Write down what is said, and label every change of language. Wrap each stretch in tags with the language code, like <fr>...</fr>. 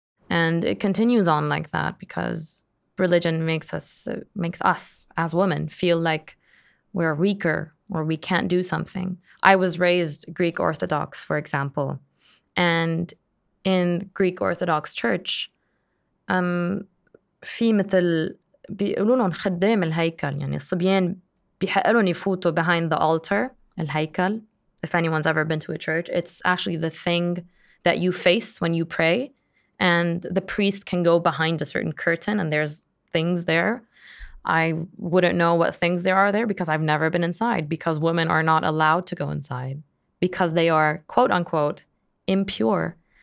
<en>And it continues on like that because religion makes us as women feel like we're weaker or we can't do something. I was raised Greek Orthodox, for example. And in Greek Orthodox Church, في مثل</en> <ar>بيقولولون خدام الهيكل يعني الصبيان بيحقلون يفوتوا behind the altar الهيكل.</ar> <en>If anyone's ever been to a church, it's actually the thing that you face when you pray, and the priest can go behind a certain curtain and there's things there. I wouldn't know what things there are there because I've never been inside, because women are not allowed to go inside because they are quote unquote impure.</en>